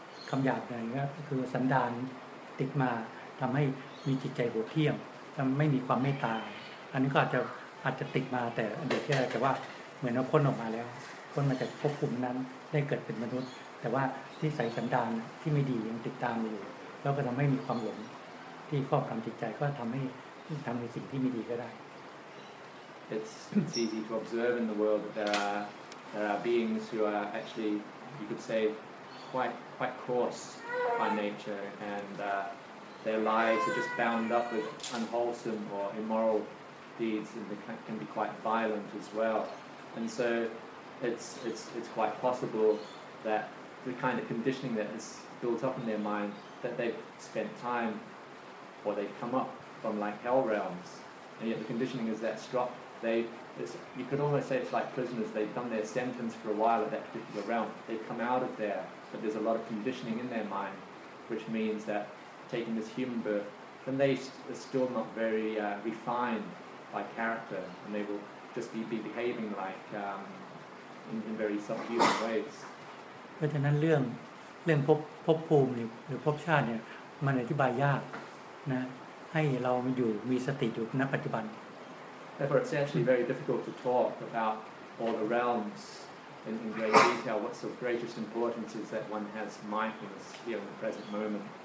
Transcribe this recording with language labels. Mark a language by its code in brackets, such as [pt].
[th] คำหยาบอะไรเงี้ยก็คือสันดานติดมาทำให้มีจิตใจโหดเหี้ยมทำไม่มีความเมตตาอันนี้ก็อาจจะติดมาแต่เด็กแค่ว่าเหมือนว่าพ้นออกมาแล้วพ้นมาจากภพภูมินั้นได้เกิดเป็นมนุษย์แต่ว่านิสัยสันดานที่ไม่ดียังติดตามอยู่แล้วก็ทำให้มีความหลงที่ครอบครองจิตใจก็ทำในสิ่งที่ไม่ดีก็ได้ [en] It's easy to observe in the world that there are beings who are actually, you could say, quite coarse by nature, and their lives are just bound up with unwholesome or immoral deeds, and they can be quite violent as well. And so it's quite possible that the kind of conditioning that is built up in their mind, that they've spent time or they've come up from like hell realms, and yet the conditioning is that strong. You could almost say it's like prisoners. They've done their sentence for a while at that particular realm. They've come out of there, but there's a lot of conditioning in their mind, which means that taking this human birth, then they are still not very refined by character, and they will just be behaving like in very subhuman ways. [th] เพราะฉะนั้นเรื่องภพภูมิหรือภพชาติเนี่ยมันอธิบายยากนะให้เรามีอยู่มีสติอยู่ณปัจจุบัน [en] Therefore it's actually very difficult to talk about all the realms in great detail. What's of greatest importance is that one has mindfulness here in the present moment.